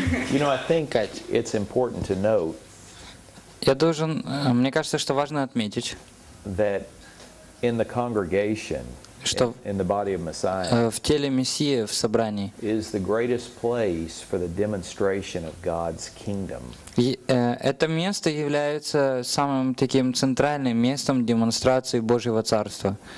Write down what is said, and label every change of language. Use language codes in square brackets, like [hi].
[en] You know, I think that it's important to note. [ru] Я должен, мне кажется, что важно отметить, [en] that in the congregation, in the body of Messiah, [ru] в теле Мессии, в собрании, [en] is the greatest place for the demonstration of God's kingdom. [ru] Это место является самым таким центральным местом демонстрации Божьего Царства.